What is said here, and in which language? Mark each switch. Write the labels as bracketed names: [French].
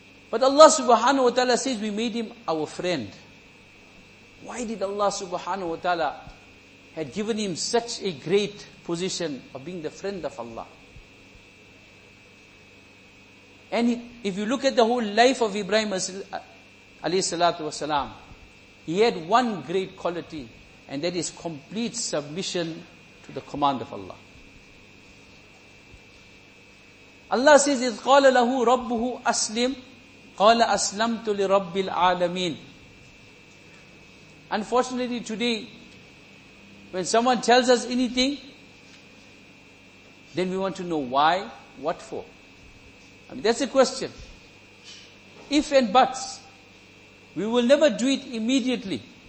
[English] But Allah subhanahu wa ta'ala says we made him our friend. Why did Allah subhanahu wa ta'ala had given him such a great position of being the friend of Allah? And if you look at the whole life of Ibrahim alayhi salatu wasalam, he had one great quality, and that is complete submission to the command of Allah. Allah says, [Arabic] إِذْ قَالَ لَهُ رَبُّهُ أَسْلِمْ قَالَ أَسْلَمْتُ لِرَبِّ الْعَالَمِينَ. [English] Unfortunately today, when someone tells us anything, then we want to know why, what for. I mean, that's a question. If and buts, we will never do it immediately.